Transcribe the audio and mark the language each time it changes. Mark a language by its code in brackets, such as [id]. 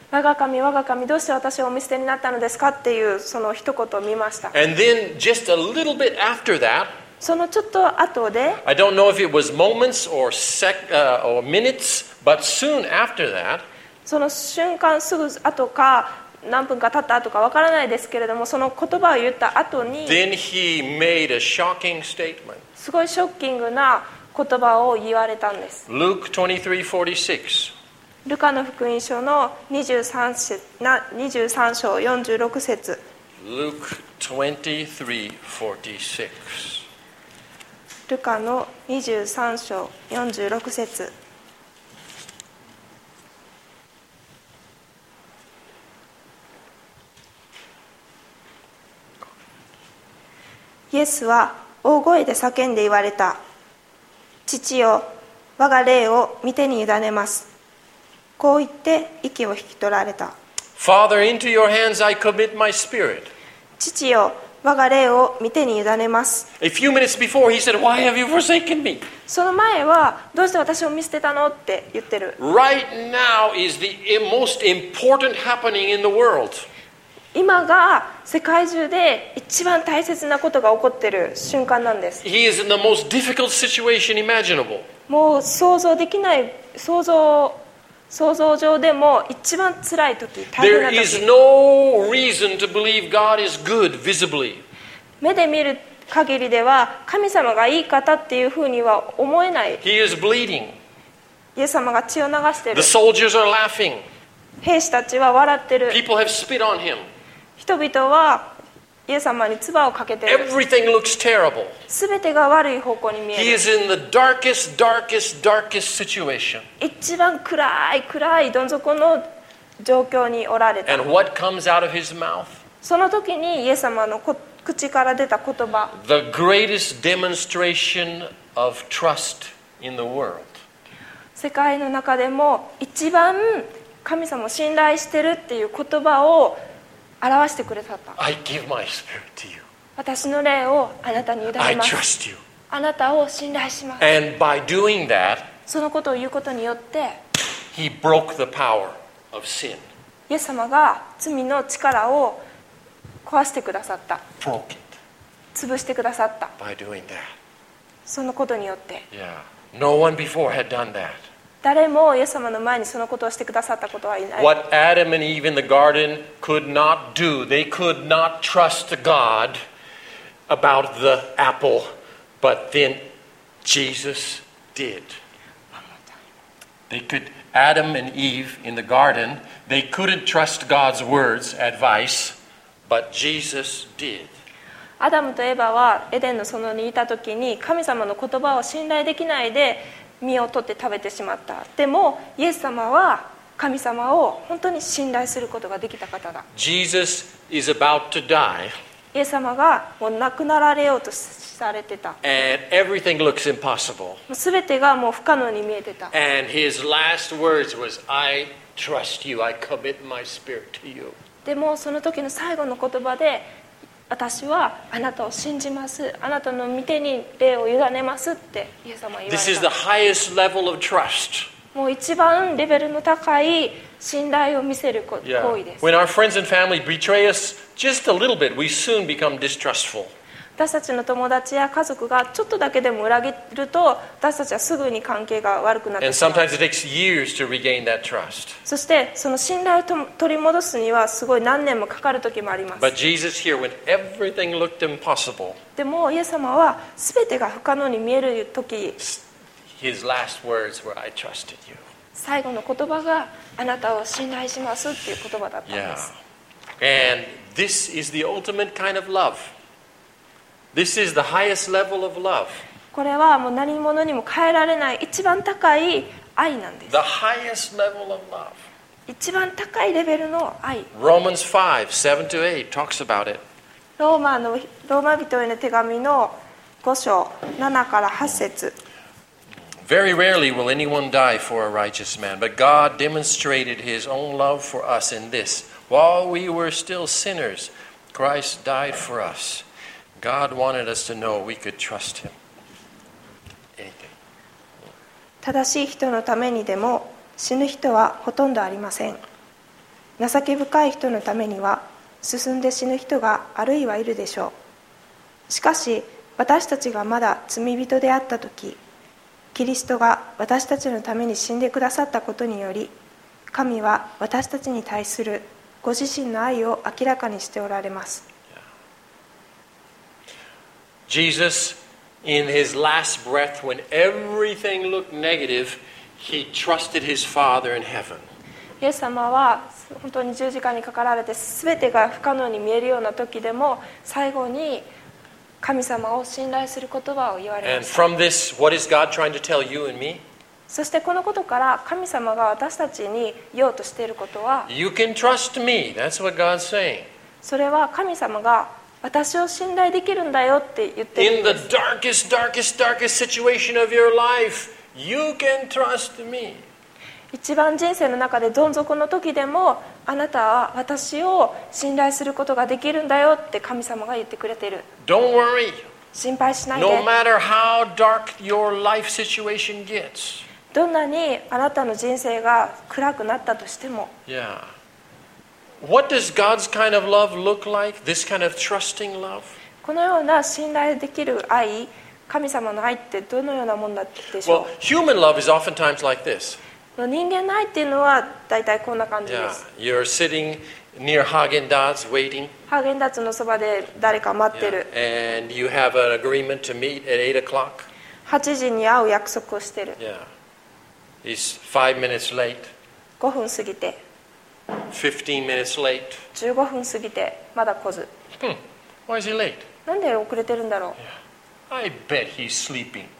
[ja] 我が神、我が神、どうして私をお見捨てになったのですかっていうその一言を見ました。 [en] And then just a little bit after that, [ja] そのちょっと後で、 [en] I don't know if it was moments or minutes, but soon after that, [ja] その瞬間すぐ後か何分か経った後かわからないですけれども、その言葉を言った後に、 [en] then he made a shocking statement. [ja] すごいショッキングな言葉を言われたんです。 [en] Luke 23:46. [ja] ルカの福音書の23章46節。 [en] Luke 23:46. [ja] ルカの23章46節。イエスは大声で叫んで言われた。父よ、我が霊を御手に委ねます。こう言って息を引き取られた。 [en] Father, into your hands I commit my spirit. [ja] 父よ、我が霊を御手に委ねます。 [en] A few minutes before, he said, Why have you forsaken me? [ja] その前はどうして私を見捨てたのって言ってる。 [en] Right now is the most important happening in the world. [ja] 今が世界中で一番大切なことが起こってる瞬間なんです。 [en] He is in the most difficult situation imaginable. [ja] もう想像できない、想像上でも一番辛い時、大変な時。 [en] There is no reason to believe God is good visibly. [ja] 目で見る限りでは神様がいい方っていうふうには思えない。 [en] He is bleeding. [ja] イエス様が血を流してる。 [en] The soldiers are laughing. [ja] 兵士たちは笑ってる。 [en] People have spit on him. [ja] 人々はイエス様に唾をかけてる。 [en] Everything looks terrible. [ja] 全てが悪い方向に見える。 [en] He is in the darkest, darkest, darkest situation. [ja] 一番暗い、暗いどん底の状況におられた。 [en] And what comes out of his mouth? [ja] その時にイエス様の口から出た言葉。 [en] The greatest demonstration of trust in the world. [ja] 世界の中でも一番神様を信頼してるっていう言葉を表してくれた。 [en] I give my spirit to you. [ja] 私の霊をあなたに委ねます。 [en] I trust you. [ja] あなたを信頼します。 [en] And by doing that, [ja] そのことを言うことによって、 [en] He broke the power of sin. [ja] イエス様が罪の力を壊してくださった。 [en] Broke it. [ja] 潰してくださった。 [en] By doing that. [ja] そのことによって、 [en] Yeah. No one before had done that. [ja] 誰もイエス様の前にそのことをしてくださったことはいない。 [en] What Adam and Eve in the garden could not do, they could not trust God about the apple, but then Jesus did. They could, Adam and Eve in the garden, they couldn't trust God's words, advice, but Jesus did. [ja] アダムとエヴァはエデンの園にいた時に神様の言葉を信頼できないで身を取って食べてしまった。でもイエス様は神様を本当に信頼することができた方だ。 [en] Jesus is about to die. [ja] イエス様がもう亡くなられようとされてた。 [en] And everything looks impossible. [ja] もう全てがもう不可能に見えてた。 [en] And his last words was, I trust you, I commit my spirit to you. [ja] でもその時の最後の言葉で、私はあなたを信じます。あなたの御手に霊を委ねますってイエス様は言われた。 [en] This is the highest level of trust. [ja] もう一番レベルの高い信頼を見せる行為です。 [en] Yeah. When our friends and family betray us just a little bit, we soon become distrustful. [ja] 私たちの友達や家族がちょっとだけでも裏切ると、私たちはすぐに関係が悪くなってしまう。 [en] And sometimes it takes years to regain that trust. [ja] そしてその信頼を取り戻すにはすごい何年もかかる時もあります。 [en] But Jesus here, when everything looked impossible, [ja] でもイエス様は全てが不可能に見える時、 [en] His last words were, I trusted you. [ja] 最後の言葉があなたを信頼しますっていう言葉だったんです。 [en] Yeah. And this is the ultimate kind of love. This is the highest level of love. [ja] これはもう何者にも変えられない一番高い愛なんです。 [en] The highest level of love. [ja] 一番高いレベルの愛。 [en] Romans 5, 7 to 8 talks about it. [ja] ローマ人への手紙の5章7から8節。 [en] Very rarely will anyone die for a righteous man, but God demonstrated his own love for us in this. While we were still sinners, Christ died for us. God wanted us to know we could trust him. [ja] 正しい人のためにでも死ぬ人はほとんどありません。情け深い人のためには進んで死ぬ人があるいはいるでしょう。しかし私たちがまだ罪人であったとき、キリストが私たちのために死んでくださったことにより、神は私たちに対するご自身の愛を明らかにしておられます。 [en] Jesus, in his last breath, when everything looked negative, he trusted his Father in heaven. [ja] イエス様は本当に十字架にかかられて、すべてが不可能に見えるような時でも、最後に、神様を信頼する言葉を言われました。 [en] And from this, what is God trying to tell you and me? [ja] そしてこのことから神様が私たちに言おうとしていることは、 [en] You can trust me. That's what God's saying. [ja] それは神様が私を信頼できるんだよって言っているんです。 [en] In the darkest, darkest, darkest situation of your life, you can trust me. [ja] 一番人生の中でどん底の時でも、あなたは私を信頼することができるんだよって神様が言ってくれている。 [en] Don't worry. [ja] 心配しないで。 [en] No matter how dark your life situation gets. [ja] どんなにあなたの人生が暗くなったとしても。 [en] Yeah. What does God's kind of love look like? This kind of trusting love? [ja] このような信頼できる愛、神様の愛ってどのようなものでしょう? [en] Well, human love is oftentimes like this. [ja] 人間の愛っていうのは大体こんな感じです。 [en] Yeah, you're sitting near Häagen-Dazs waiting. [ja] ハーゲンダッツのそばで誰か待ってる。 [en] Yeah, and you have an agreement to meet at 8 o'clock. [ja] 8時に会う約束をしてる。 [en] Yeah. It's 5 minutes late. [ja] 5分過ぎて。 [en] 15 minutes late. [ja] 15分過ぎて、まだ来ず。 [en] Why is he late? [ja] なんで遅れてるんだろう。 [en] Yeah. I bet he's sleeping.